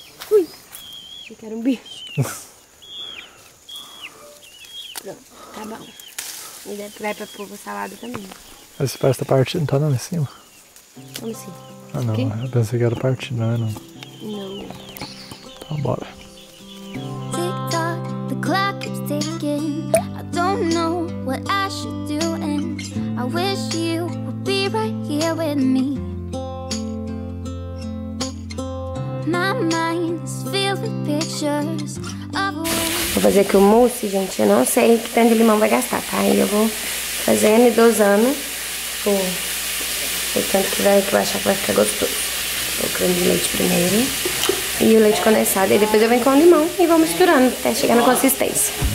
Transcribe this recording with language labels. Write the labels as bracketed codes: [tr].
[pt] Ui! Achei que era um bicho. Pronto, tá bom. E depois vai pra pôr salada também. Mas parece que a parte não tá lá em cima. Como assim? Ah, não, eu pensei que era parte, não é? Não. Então, bora. [en] Tick tock, the clock is ticking. I don't know what I should do, and I wish you would be right here with me. My mind is filled with pictures of a... [pt] Vou fazer aqui o mousse, gente. Eu não sei que tanto de limão vai gastar, tá? Aí eu vou fazer ele dosando. Tipo. O tanto que vai, que vai achar que vai ficar gostoso. Vou colocar o creme de leite primeiro. E o leite condensado. E depois eu venho com o limão e vou misturando até chegar na consistência.